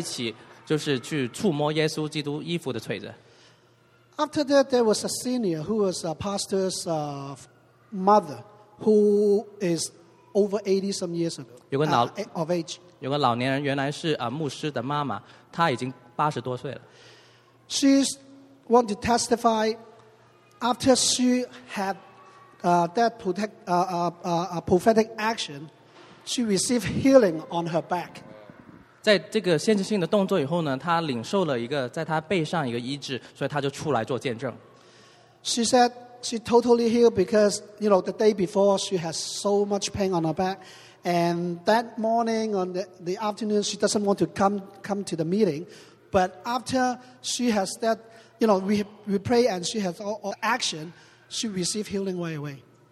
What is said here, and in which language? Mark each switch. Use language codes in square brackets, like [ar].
[zh] 所以我们就宣告这个经文，也用这经文去为他们祷告，并且呢，我们做一个先知性的动作，就是大家呢就围在一起，就是去触摸耶稣基督衣服的腿子。 [en] After that, there was a senior who was a pastor's mother, who is over 80 some years ago, [zh] 有个老, [en] of age. [zh] 有个老年人原来是, 牧师的妈妈, 她已经80多岁了。 [en] She wanted to testify after she had prophetic action, she received healing on her back. [zh] 在这个限制性的动作以后呢, 她领受了一个在她背上一个医治, 所以她就出来做见证。 [en] She said, she totally healed because, you know, the day before she has so much pain on her back, and that morning on the afternoon she doesn't want to come to the meeting, but after she has that, you know, we pray and she has all action, she received healing right away.